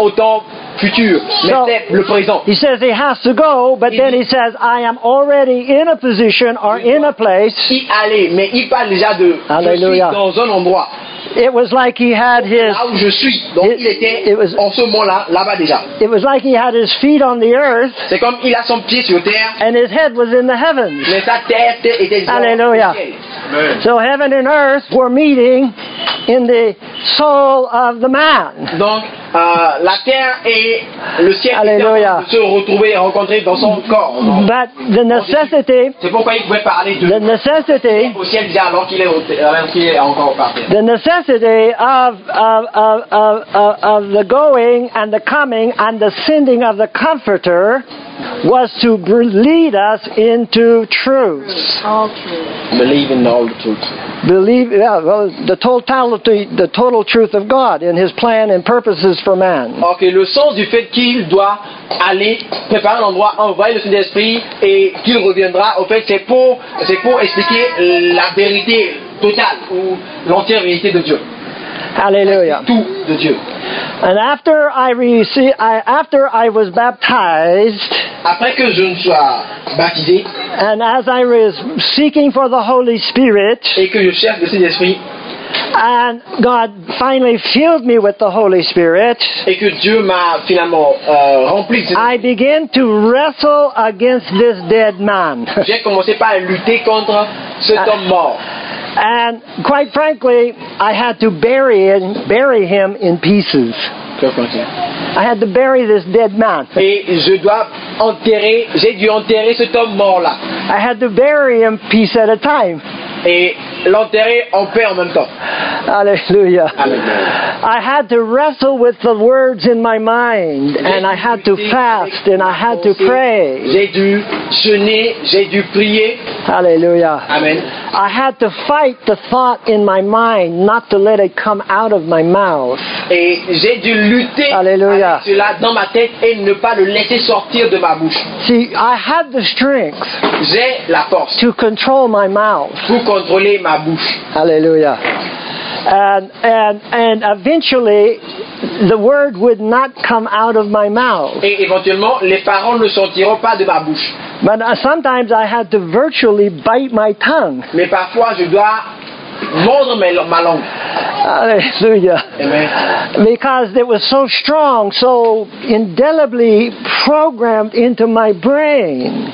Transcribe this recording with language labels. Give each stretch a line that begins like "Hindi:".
French: Autant futur, mais
English: so,
French: c'est le présent.
English: He says he has to go, but
French: il
English: then
French: dit,
English: he says, I am already in a position or in a place.
French: Y aller, mais il parle déjà de, hallelujah, je suis dans un endroit.
English: It was like he had his,
French: là où je suis, donc il était en ce moment-là, là-bas déjà.
English: It was like he had his feet on the earth.
French: C'est comme il a son pied sur terre.
English: And his head was in the heavens.
French: Mais sa tête était, hallelujah, dans le ciel.
English: So heaven and earth were meeting in the soul of the man.
French: Donc, la terre et le ciel. Alléluia. Se retrouver et rencontrer dans son corps.
English: But the necessity.
French: C'est pourquoi il pouvait parler de.
English: The necessity.
French: Au ciel déjà alors qu'il est encore par terre.
English: The necessity of the going and the coming and the sending of the Comforter was to lead us into truth. All truth. Believe in all the truth. Believe, yeah, well, the totality, the total truth of God in His plan and purposes for man.
French: Ok, le sens du fait qu'il doit aller préparer l'endroit, envoyer le Saint-Esprit et qu'il reviendra, en fait, c'est pour expliquer la vérité totale ou l'entière vérité de Dieu. Hallelujah. Tout de Dieu.
English: And after I was baptized,
French: après que je me sois baptisé,
English: and as I was seeking for the Holy Spirit,
French: et que je cherche le Saint-Esprit,
English: and God finally filled me with the Holy Spirit,
French: et que Dieu m'a finalement rempli,
English: I began to wrestle against this dead man.
French: J'ai commencé par lutter contre cet homme mort.
English: And quite frankly, I had to bury him in pieces. I had to bury this dead man.
French: Et je dois enterrer, j'ai dû enterrer cet homme mort là.
English: I had to bury him piece at a time.
French: Et l'enterrer en paix en même temps. Alléluia. Alléluia.
English: I had to wrestle with the words in my mind, and I had to fast, and I had to pray.
French: J'ai dû jeûner, j'ai dû prier. Alléluia. Amen.
English: I had to fight the thought in my mind, not to let it come out of my mouth.
French: Et j'ai dû lutter. Alléluia. Avec cela dans ma tête et ne pas le laisser sortir de ma bouche.
English: See, I had the strength.
French: J'ai la force.
English: To control my mouth.
French: Pour contrôler ma bouche. Alléluia.
English: And eventually, the word would not come out of my mouth.
French: Et éventuellement, les paroles ne sortiront pas de ma bouche.
English: But sometimes I had to virtually bite my tongue.
French: Mais parfois, je dois mordre ma langue. Alléluia. Amen.
English: Because it was so strong, so indelibly programmed into my brain.